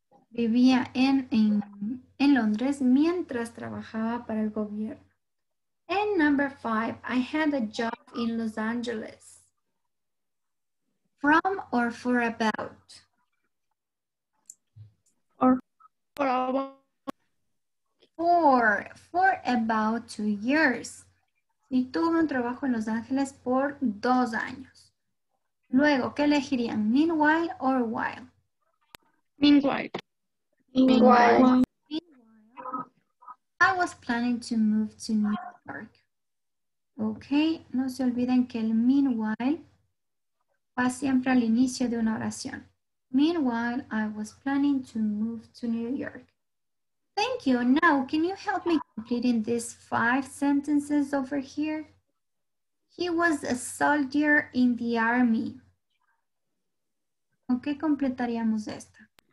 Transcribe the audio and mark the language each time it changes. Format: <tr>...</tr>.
<es>Vivía en Londres mientras trabajaba para el gobierno.</es> <en>And number five, I had a job in Los Angeles. From or for about? Or for about. For about 2 years.</en> <es>Y tuve un trabajo en Los Ángeles por 2 años. Luego, ¿qué elegirían?</es> <en>Meanwhile or while? Meanwhile. Meanwhile. I was planning to move to New York.</en> <es>Okay, no se olviden que el meanwhile va siempre al inicio de una oración.</es> <en>Meanwhile, I was planning to move to New York. Thank you. Now, can you help me completing these 5 sentences over here? He was a soldier in the army.</en> <es>¿Con qué completaríamos esta?</es>